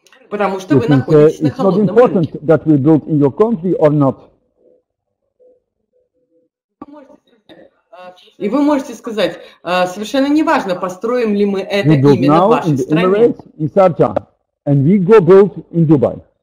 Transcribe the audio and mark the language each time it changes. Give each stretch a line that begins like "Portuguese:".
Russian: Потому что вы находитесь на холодном рынке.
English: It's not important that we build in your country or not.
Russian: И вы можете сказать, совершенно не важно, построим ли мы это именно в вашей стране.
English: We build now in the Emirates, in Sharjah, and we go build in Dubai.